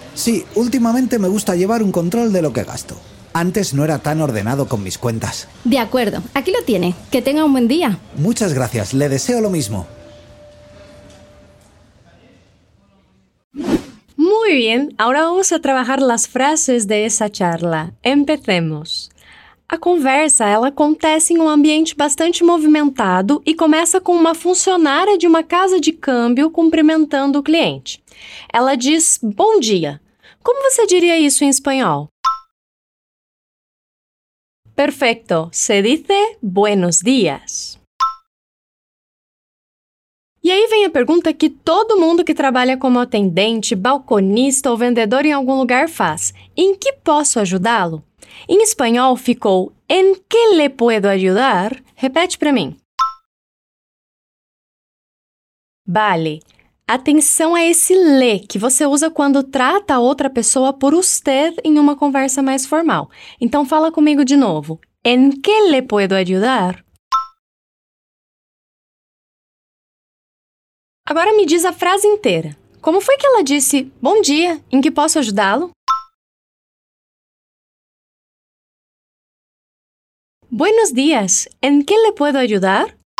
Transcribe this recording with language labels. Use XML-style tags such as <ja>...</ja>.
<es>Sí, últimamente me gusta llevar un control de lo que gasto. Antes no era tan ordenado con mis cuentas. De acuerdo, aquí lo tiene. Que tenga un buen día. Muchas gracias, le deseo lo mismo. Muy bien, ahora vamos a trabajar las frases de esa charla. Empecemos.</es> <pt>A conversa, ela acontece em um ambiente bastante movimentado e começa com uma funcionária de uma casa de câmbio cumprimentando o cliente. Ela diz, bom dia. Como você diria isso em espanhol?</pt> <es>Perfecto, se dice buenos días.</es> <pt>E aí vem a pergunta que todo mundo que trabalha como atendente, balconista ou vendedor em algum lugar faz. Em que posso ajudá-lo? Em espanhol ficou,</pt> <es>¿en qué le puedo ayudar?</es> <pt>Repete para mim.</pt> <es>Vale.</es> <pt>Atenção a esse le, que você usa quando trata a outra pessoa por usted em uma conversa mais formal. Então, fala comigo de novo.</pt> <es>¿En qué le puedo ayudar?</es> <pt>Agora me diz a frase inteira. Como foi que ela disse, bom dia, em que posso ajudá-lo?</pt> <es>Buenos días, ¿en qué le puedo ayudar?</es>